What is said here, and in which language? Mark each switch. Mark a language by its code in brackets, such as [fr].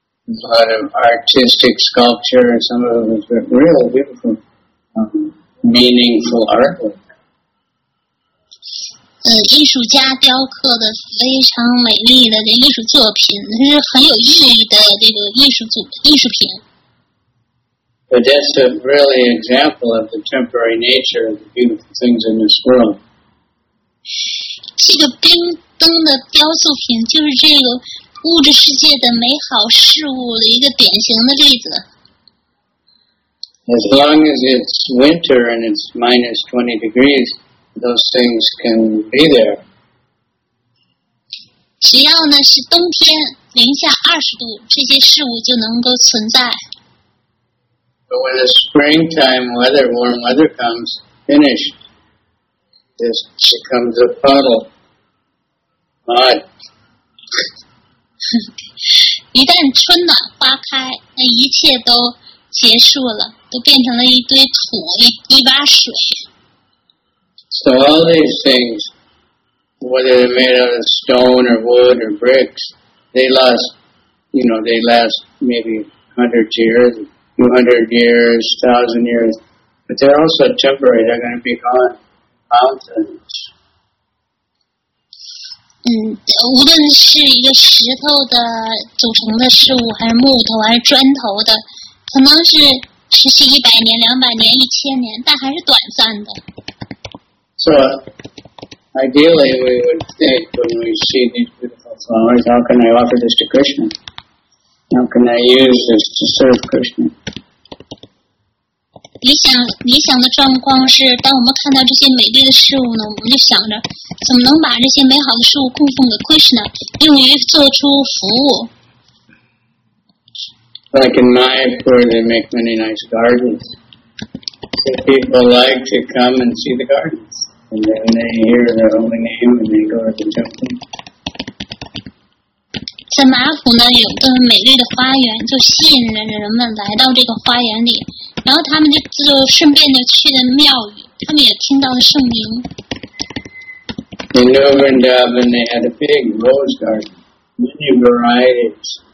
[en] A lot of artistic sculpture, some of them are really beautiful, meaningful artwork. [zh] 艺术家雕刻的非常美丽的这艺术作品，是很有意义的这个艺术品。 [en] But that's a really example of the temporary nature of the beautiful things in this world. [zh] 这个冰灯的雕塑品就是这个物质世界的美好事物的一个典型的例子。 [en] As long as it's winter and it's minus 20 degrees, those things can be there. [zh] 只要呢是冬天零下20度，这些事物就能够存在。 [en] But when the springtime weather, warm weather comes, finished, this becomes a puddle. [zh] 一旦春暖花开，那一切都结束了，都变成了一堆土，一把水。 [en] So all these things, whether they're made out of stone or wood or bricks, they last, you know, they last maybe 100 years, 200 years, 1,000 years, but they're also temporary. They're going to be gone. Mountains. [zh] 无论是一个石头的组成的事物，还是木头，还是砖头的，可能是持续一百年、两百年、一千年，但还是短暂的。 [en] So, ideally, we would think when we see these beautiful flowers, how can I offer this to Krishna? How can I use this to serve Krishna? [zh] 理想的状况是，当我们看到这些美丽的事物呢，我们就想着怎么能把这些美好的事物供奉给 Krishna， 用于做出服务。 [en] Like in Mayapur, they make many nice gardens. So people like to come and see the gardens. And then they hear the holy name and they go up and jump in. [zh] 在马普呢，有个美丽的花园，就吸引着人们来到这个花园里。然后他们就顺便的去了庙宇，他们也听到了圣名。 [en] In New Vrindavan, they had a big rose garden, many varieties.